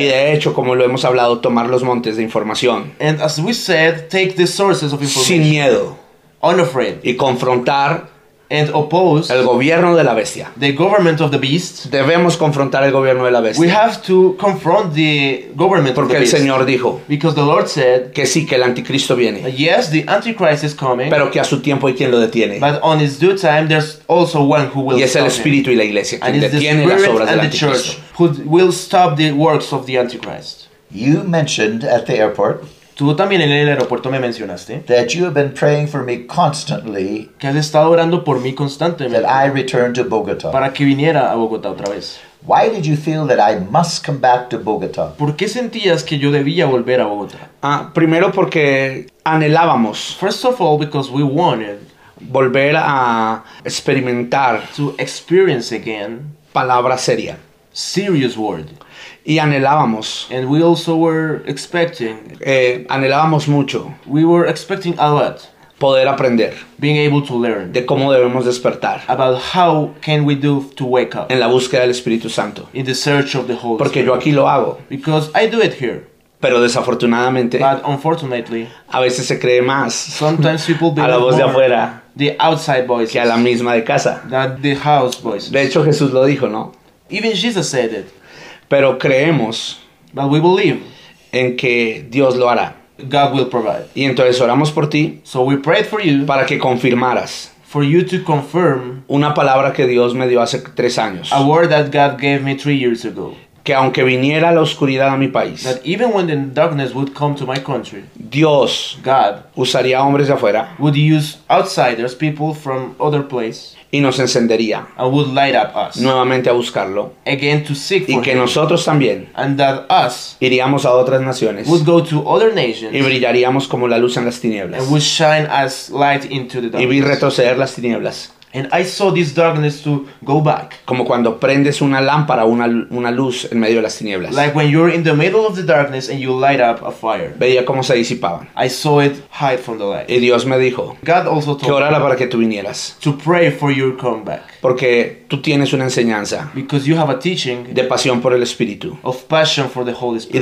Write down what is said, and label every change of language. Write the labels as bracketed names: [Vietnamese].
[Spanish] Y de hecho, como lo hemos hablado, tomar los montes de información. [English] And as we said, take the sources of information. [Spanish] Sin miedo. [English] Unafraid. [Spanish] Y confrontar. [English] And oppose. [Spanish] El gobierno de la bestia. [English] The government of the beast. [Spanish] Debemos confrontar el gobierno de la bestia. [English] We have to confront the government [Spanish] porque [English] of the beast. [Spanish] Porque el Señor dijo. [English] Because the Lord said. [Spanish] Que sí, que el anticristo viene. [English] Yes, the antichrist is coming. [Spanish] Pero que a su tiempo hay quien lo detiene. [English] But on his due time, there's also one who will stop him. [Spanish] Y es el Espíritu [English] him. [Spanish] Y la Iglesia quien detiene las obras del anticristo. [English] And the church who will stop the works of the antichrist. You mentioned at the airport. [Spanish] Tú también en el aeropuerto me mencionaste [English] that you have been praying for me constantly, [Spanish] que has estado orando por mí constantemente, [English] that I return to Bogotá, [Spanish] para que viniera a Bogotá otra vez. [English] Why did you feel that I must come back to Bogotá? [Spanish] ¿Por qué sentías que yo debía volver a Bogotá? Primero porque anhelábamos. [English] First of all, because we wanted [Spanish] volver a experimentar, [English] to experience again, [Spanish] palabra seria, [English] serious word. [Spanish] Y anhelábamos. [English] And we also were expecting. [Spanish] Anhelábamos mucho. [English] We were expecting a lot. [Spanish] Poder aprender. [English] Being able to learn. [Spanish] De cómo debemos despertar. [English] About how can we do to wake up. [Spanish] En la búsqueda del Espíritu Santo. [English] In the search of the Holy [Spanish] Porque Porque yo aquí lo hago. [English] Because I do it here. [Spanish] Pero desafortunadamente. [English] But unfortunately. [Spanish] A veces se cree más. [English] Sometimes people believe [Spanish] a la voz de afuera. [English] The outside voices. [Spanish] Que a la misma de casa. [English] That the house voices. [Spanish] De hecho, Jesús lo dijo, ¿no? [English] Even Jesus said it. [Spanish] Pero creemos, [English] but we believe, [Spanish] en que Dios lo hará. [English] God will provide. [Spanish] Y entonces oramos por ti, [English] so we prayed for you, [Spanish] para que confirmaras, [English] for you to confirm, [Spanish] una palabra que Dios me dio hace 3 años. [English] A word that God gave me 3 years ago. [Spanish] Que aunque viniera la oscuridad a mi país, [English] that even when the darkness would come to my country, [Spanish] Dios, [English] God, [Spanish] usaría hombres de afuera, [English] would use outsiders, people from other place, [Spanish] y nos encendería, [English] and would light up us, [Spanish] nuevamente a buscarlo, [English] again to seek for [Spanish] y que [English] him, [Spanish] nosotros también, [English] and that us, [Spanish] iríamos a otras naciones, [English] would go to other nations, [Spanish] y brillaríamos como la luz en las tinieblas, [English] and would shine as light into the darkness, [Spanish] y vi retroceder las tinieblas. [English] And I saw this darkness to go back. [Spanish] Como cuando prendes una lámpara o una luz en medio de las tinieblas. [English] Like when you're in the middle of the darkness and you light up a fire. [Spanish] Veía cómo se disipaban. [English] I saw it hide from the light. [Spanish] Y Dios me dijo. [English] God also told me. [Spanish] Que orara para que tú vinieras. [English] To pray for your comeback. [Spanish] Porque tú tienes una enseñanza. [English] Because you have a teaching. [Spanish] De pasión por el Espíritu. [English] Of passion for the Holy Spirit.